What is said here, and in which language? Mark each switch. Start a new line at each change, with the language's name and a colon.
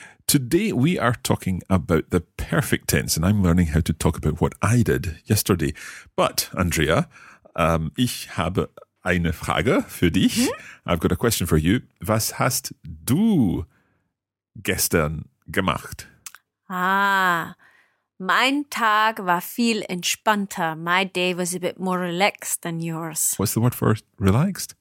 English: Today we are talking about the perfect tense, and I'm learning how to talk about what I did yesterday. But, Andrea,
German: Ich habe eine Frage für dich.
English: Mhm. I've got a question for you.
German: Was hast du gestern gemacht? Mein Tag war viel entspannter.
English: My day was a bit more relaxed than yours. What's the word for relaxed?